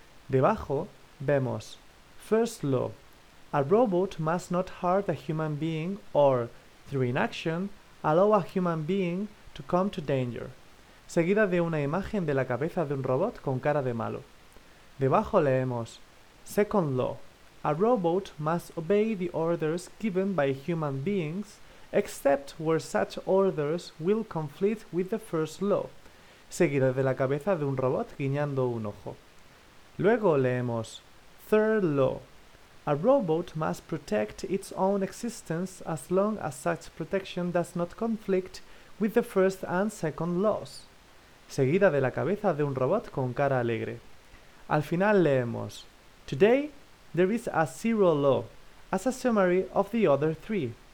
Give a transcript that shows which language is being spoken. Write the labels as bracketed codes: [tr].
[es] Debajo vemos [en] First Law. A robot must not hurt a human being or, through inaction, allow a human being to come to danger. [es] Seguida de una imagen de la cabeza de un robot con cara de malo. Debajo leemos Second Law. [en] A robot must obey the orders given by human beings except where such orders will conflict with the first law. [es] Seguida de la cabeza de un robot guiñando un ojo. Luego leemos Third Law. [en] A robot must protect its own existence as long as such protection does not conflict with the first and second laws. [es] Seguida de la cabeza de un robot con cara alegre. Al final leemos [en] Today there is a zero law as a summary of the other three.